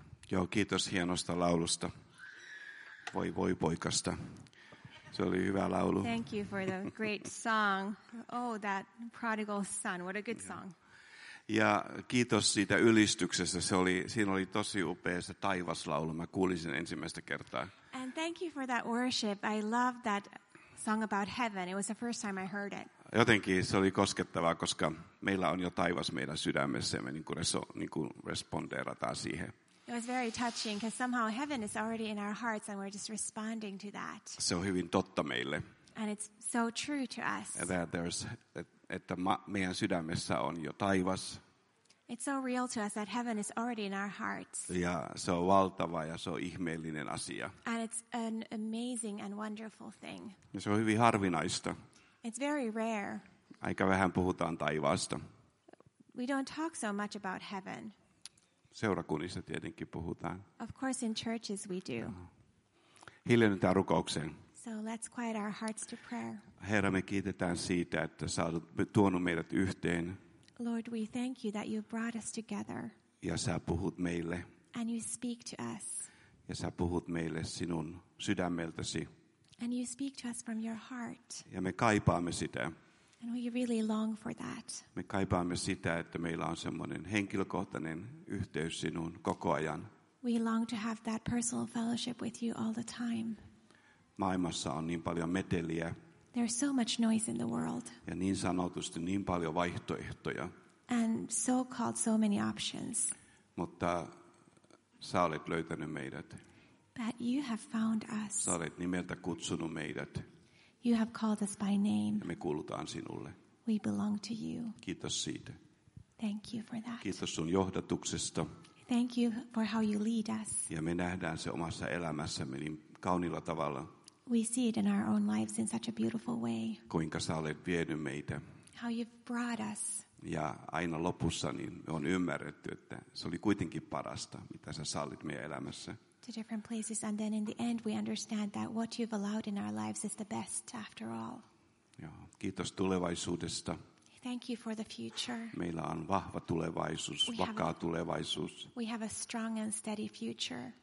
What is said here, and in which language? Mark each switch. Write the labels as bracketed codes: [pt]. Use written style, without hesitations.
[fi] Joo, kiitos hienosta laulusta. Voi voi poikasta. Se oli hyvä laulu. [en] Thank you for the great song. Oh, that prodigal son. What a good song. [fi] Ja kiitos siitä ylistyksestä. Se oli, siinä oli tosi upea se taivaslaulu. Mä kuulin sen ensimmäistä kertaa. [en] And thank you for that worship. I love that song about heaven. It was the first time I heard it. [fi] Jotenkin se oli koskettavaa, koska meillä on jo taivas meidän sydämessä ja me niin kuin respondeerataan siihen. [en] It was very touching because somehow heaven is already in our hearts and we're just responding to that. [fi] Se on hyvin totta meille. [en] And it's so true to us. That there's [fi] että meidän sydämessä on jo taivas. [en] It's so real to us that heaven is already in our hearts. [fi] Ja se on valtava ja se on ihmeellinen asia. [en] And it's an amazing and wonderful thing. [fi] Ja se on hyvin harvinaista. [en] It's very rare. [fi] Aika vähän puhutaan taivaasta. [en] We don't talk so much about heaven. [fi] Seurakunnissa tietenkin puhutaan. [en] Of course in churches we do. [fi] Hiljennytään rukoukseen. [en] So let's quiet our hearts to prayer. [fi] Herra, me kiitetään siitä, että sä oot tuonut meidät yhteen. [en] Lord, we thank you that you brought us together. [fi] Ja sä puhut meille. [en] And you speak to us. [fi] Ja sä puhut meille sinun sydämeltäsi. [en] And you speak to us from your heart. [fi] Ja me kaipaamme sitä. [en] And we really long for that. [fi] Me kaipaamme sitä, että meillä on semmoinen henkilökohtainen yhteys sinuun koko ajan. [en] We long to have that personal fellowship with you all the time. [fi] Maailmassa on niin paljon meteliä. [en] There's so much noise in the world. [fi] Ja niin sanotusti niin paljon vaihtoehtoja. [en] And so-called so many options. [fi] Mutta sä olet löytänyt meidät. [en] But you have found us. [fi] Sä olet nimeltä kutsunut meidät. [en] You have called us by name. [fi] Ja me kuulutaan sinulle. [en] We belong to you. [fi] Kiitos siitä. [en] Thank you for that. [fi] Kiitos sun johdatuksesta. [en] Thank you for how you lead us. [fi] Ja me nähdään se omassa elämässämme niin kauniilla tavalla. [en] We see it in our own lives in such a beautiful way. [fi] Kuinka sä olet vienyt meitä. [en] How you've brought us. [fi] Ja aina lopussa niin on ymmärretty, että se oli kuitenkin parasta, mitä sä sallit meidän elämässä. [en] To different places, and then in the end we understand that what you've allowed in our lives is the best after all. [fi] Joo, kiitos tulevaisuudesta. [en] Thank you for the future. [fi] Meillä on vahva tulevaisuus, vakaa tulevaisuus. [en] We have a strong and steady future.